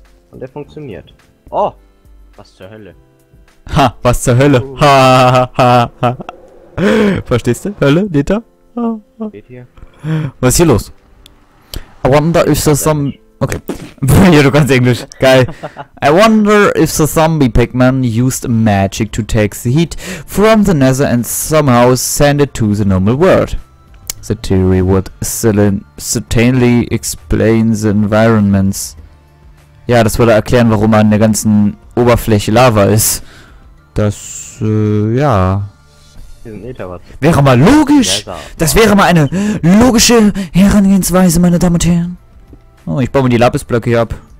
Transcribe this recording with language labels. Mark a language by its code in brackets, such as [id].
[de] Und er funktioniert. Oh! Was zur Hölle. Ha! Was zur Hölle! Ha, ha, ha. Verstehst du? Hölle? Nether? Geht hier. Was ist hier los? [en] I wonder if the zombie... [de] Okay. Ja, du kannst Englisch. Geil. [en] I wonder if the zombie Pigman used magic to take the heat from the Nether and somehow send it to the normal world. The theory would certainly explain the environments. [de] Ja, das würde erklären, warum an der ganzen Oberfläche Lava ist. Das, ja. Wäre mal logisch! Das wäre mal eine logische Herangehensweise, meine Damen und Herren. Oh, ich baue mir die Lapisblöcke hier ab.